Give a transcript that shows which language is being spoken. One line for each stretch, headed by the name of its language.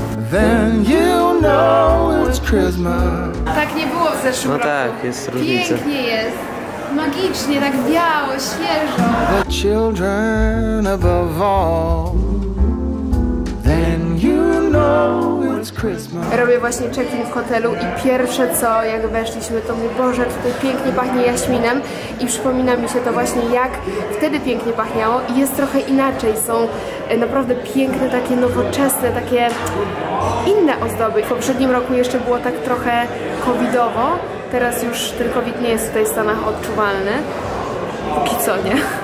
English: Then you know it's Christmas.
Polish: Tak nie było w zeszłym roku. No tak, jest różnica. Pięknie jest. Magicznie, tak biało, świeżo.
English: The children above all. Then you know it's Christmas.
Polish: Robię właśnie check-in w hotelu i pierwsze co, jak weszliśmy, to mój Boże, tutaj pięknie pachnie jaśminem. I przypomina mi się to właśnie, jak wtedy pięknie pachniało. I jest trochę inaczej, są naprawdę piękne, takie nowoczesne, takie inne ozdoby. W poprzednim roku jeszcze było tak trochę covidowo, teraz już ten covid nie jest tutaj w Stanach odczuwalny. póki co, nie?